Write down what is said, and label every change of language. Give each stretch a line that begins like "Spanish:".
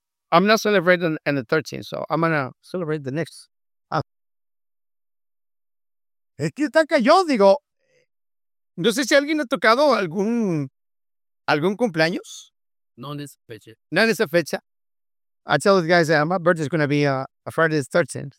English: I'm not celebrating on the 13th, so I'm going to celebrate the next.
Spanish: Es que está cañón, digo. No sé si alguien ha tocado algún cumpleaños. No en esa fecha. No en esa fecha.
English: I tell these guys that my birthday is going to be a Friday the 13th.